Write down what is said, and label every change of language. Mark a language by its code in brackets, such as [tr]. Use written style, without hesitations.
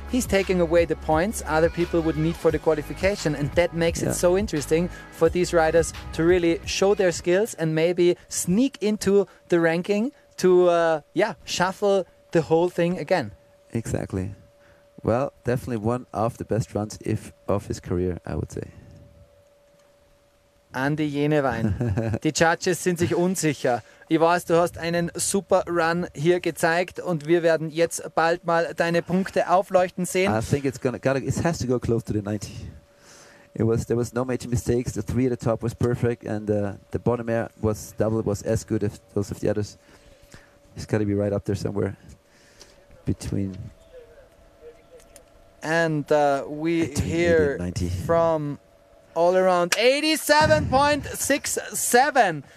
[en] He's taking away the points other people would need for the qualification, and that makes it so interesting for these riders to really show their skills and maybe sneak into the ranking to shuffle the whole thing again. Exactly. Well, definitely one of the best runs of his career, I would say. [de] Andy Jenewein. Die Judges sind sich unsicher. Ich weiß, du hast einen super Run hier gezeigt und wir werden jetzt bald mal deine Punkte aufleuchten sehen. [en] I think it has to go close to the 90. There was no major mistakes. The three at the top was perfect and the bottom air was double, was as good as those of the others. It's got to be right up there somewhere between... And we hear from all around 87.67.